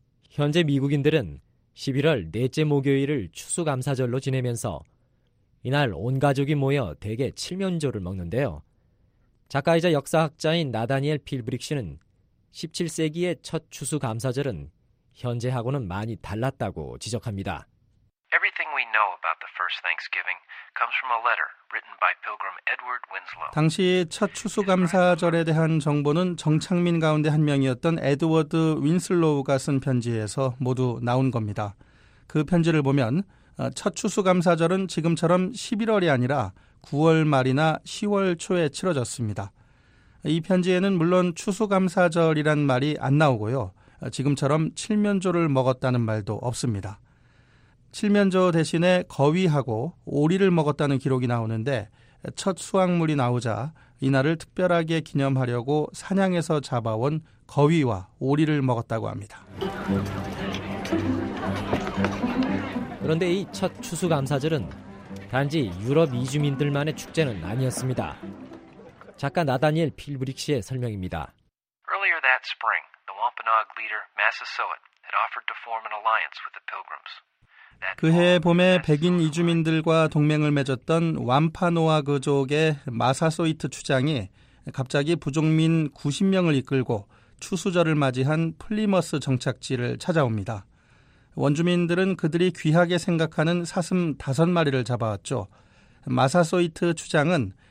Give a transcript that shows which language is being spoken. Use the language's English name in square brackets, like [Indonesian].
[Korean] 현재 미국인들은 11월 넷째 목요일을 추수감사절로 지내면서 이날 온 가족이 모여 대개 칠면조를 먹는데요. 작가이자 역사학자인 나다니엘 필브릭 씨는 17세기의 첫 추수감사절은 현재하고는 많이 달랐다고 지적합니다. [English] Everything we know about the first Thanksgiving comes from a letter written by Pilgrim Edward Winslow. [Korean] 당시 첫 추수감사절에 대한 정보는 정착민 가운데 한 명이었던 에드워드 윈슬로우가 쓴 편지에서 모두 나온 겁니다. 그 편지를 보면 첫 추수감사절은 지금처럼 11월이 아니라 9월 말이나 10월 초에 치러졌습니다. 이 편지에는 물론 추수감사절이란 말이 안 나오고요. 지금처럼 칠면조를 먹었다는 말도 없습니다. 칠면조 대신에 거위하고 오리를 먹었다는 기록이 나오는데 첫 수확물이 나오자 이날을 특별하게 기념하려고 사냥에서 잡아온 거위와 오리를 먹었다고 합니다. 그런데 이 첫 추수감사절은 단지 유럽 이주민들만의 축제는 아니었습니다. 작가 나다니엘 필브릭 씨의 설명입니다. [English] Earlier that spring, the Wampanoag leader Massasoit had offered to form an alliance with the Pilgrims. [Korean] 그해 봄에 백인 이주민들과 동맹을 맺었던 완파노아 그족의 마사소이트 추장이 갑자기 부족민 90명을 이끌고 추수절을 맞이한 플리머스 정착지를 찾아옵니다. 원주민들은 그들이 귀하게 생각하는 사슴 5마리를 잡아왔죠. 마사소이트 추장은